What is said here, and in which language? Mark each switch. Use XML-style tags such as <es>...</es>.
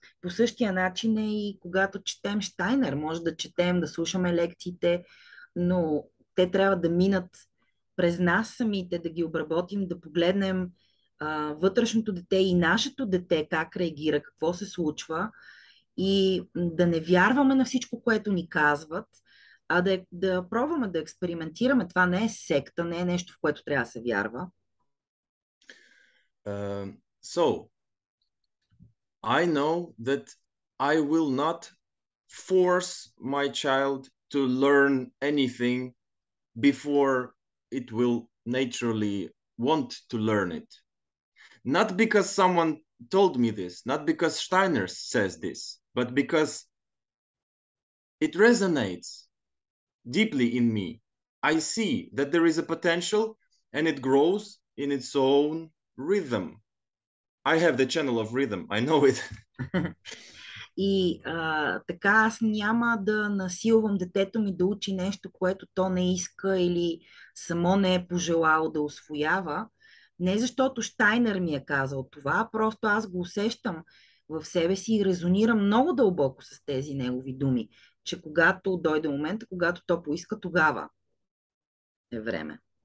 <bg>По същия начин е и когато четем Штайнер, може да четем, да слушаме лекциите, но те трябва да минат през нас самите, да ги обработим, да погледнем вътрешното дете и нашето дете как реагира, какво се случва и да не вярваме на всичко, което ни казват, а да пробваме да експериментираме. Това не е секта, не е нещо, в което трябва да се вярва.</bg> <en>So, I know that I will not force my child to learn anything before it will naturally want to learn it. Not because someone told me this, not because Steiner says this, but because it resonates deeply in me. I see that there is a potential and it grows in its own rhythm. I have the channel of rhythm. I know it.</en> <bg>И така аз няма да насилвам детето ми да учи нещо, което то не иска или само не е пожелало да усвоява. Не защото Штайнер ми е казал това, а просто аз го усещам в себе си и резонирам много дълбоко с тези негови думи, че когато дойде момента, когато то поиска, тогава е време.</bg>